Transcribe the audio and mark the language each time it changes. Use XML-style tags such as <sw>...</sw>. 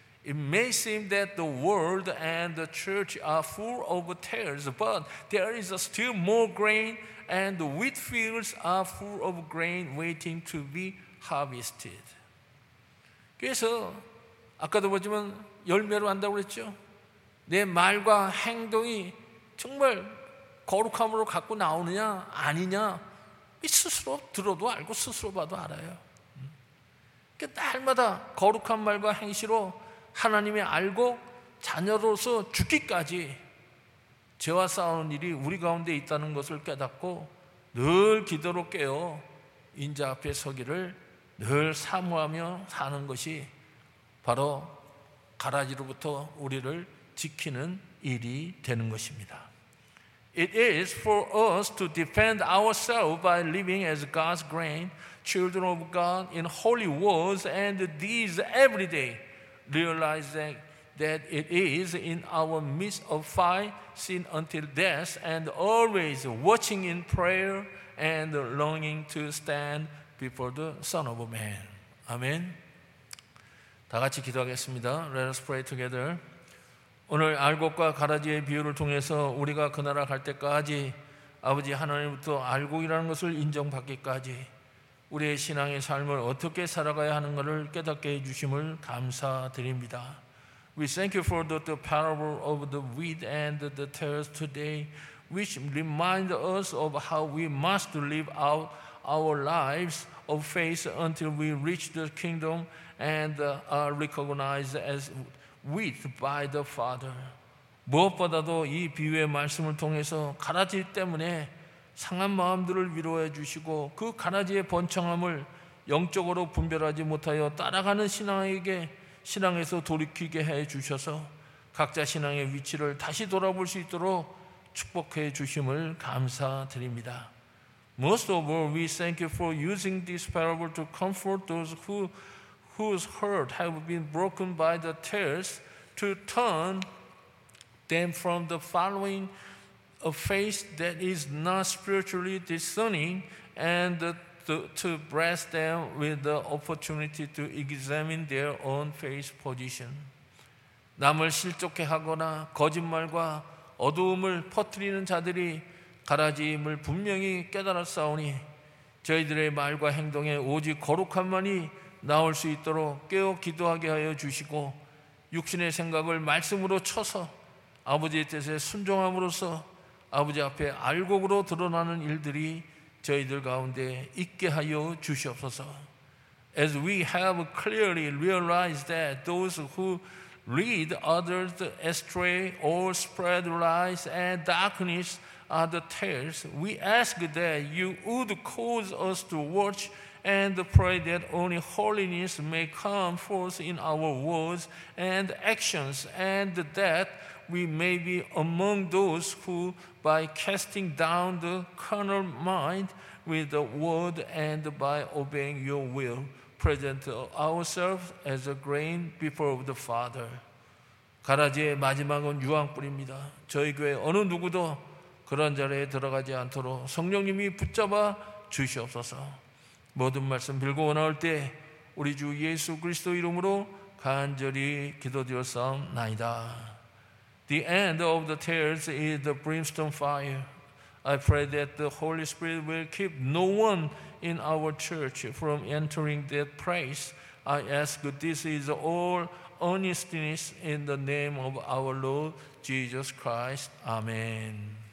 <en>It may seem that the world and the church are full of tares, but there is still more grain, and the wheat fields are full of grain waiting to be harvested.</en> <ko>그래서 아까도 보지만 열매로 한다고 그랬죠. 내 말과 행동이 정말 거룩함으로 갖고 나오느냐 아니냐 스스로 들어도 알고 스스로 봐도 알아요. 날마다 거룩한 말과 행시로 하나님이 알고 자녀로서 죽기까지 죄와 싸우는 일이 우리 가운데 있다는 것을 깨닫고 늘 기도로 깨어 인자 앞에 서기를 늘 사모하며 사는 것이 바로 가라지로부터 우리를 지키는 일이 되는 것입니다.</ko> <en>It is for us to defend ourselves by living as God's grain, children of God in holy words and deeds every day, realizing that it is in our midst of fight, sin until death, and always watching in prayer and longing to stand before the Son of Man. Amen.</en> <ko>다 같이 기도하겠습니다.</ko> <en>Let us pray together.</en> <ko>오늘 알곡과 가라지의 비유를 통해서 우리가 그 나라 갈 때까지 아버지 하나님부터 알곡이라는 것을 인정받기까지 우리의 신앙의 삶을 어떻게 살아가야 하는가를 깨닫게 해 주심을 감사드립니다.</ko> <en>We thank you for the parable of the wheat and the tares today, which reminds us of how we must live out our lives of faith until we reach the kingdom and are recognized as with by the Father.</en> <ko>무엇보다도 이 비유의 말씀을 통해서 가라지 때문에 상한 마음들을 위로해 주시고 그 가라지의 번창함을 영적으로 분별하지 못하여 따라가는 신앙에게 신앙에서 돌이키게 해 주셔서 각자 신앙의 위치를 다시 돌아볼 수 있도록 축복해 주심을 감사드립니다.</ko> <en>Most of all, we thank you for using this parable to comfort those whose heart have been broken by the tears to turn them from the following a faith that is not spiritually discerning and to bless them with the opportunity to examine their own faith position.</en> <ko>남을 실족해 하거나 거짓말과 어두움을 퍼뜨리는 자들이 가라지임을 분명히 깨달았사오니 저희들의 말과 행동에 오직 거룩함만이 나올 수 있도록 깨어 기도하게 하여 주시고 육신의 생각을 말씀으로 쳐서 아버지의 뜻에 순종함으로써 아버지 앞에 알곡으로 드러나는 일들이 저희들 가운데 있게 하여 주시옵소서.</ko> <en>As we have clearly realized that those who lead others astray or spread lies and darkness are the tares, we ask that you would cause us to watch and pray that only holiness may come forth in our words and actions and that we may be among those who by casting down the carnal mind with the word and by obeying your will present ourselves as a grain before the Father.</en> <ko>가라지의 마지막은 유황불입니다. 저희 교회 어느 누구도 그런 자리에 들어가지 않도록 성령님이 붙잡아 주시옵소서. 모든 말씀 빌고 나올 때 우리 주 예수 그리스도 이름으로 간절히 기도드렸사옵나이다.</ko> <en>The end of the tears is the brimstone fire. I pray that the Holy Spirit will keep no one in our church from entering that place. I ask this is all earnestness in the name of our Lord Jesus Christ. Amen.</en>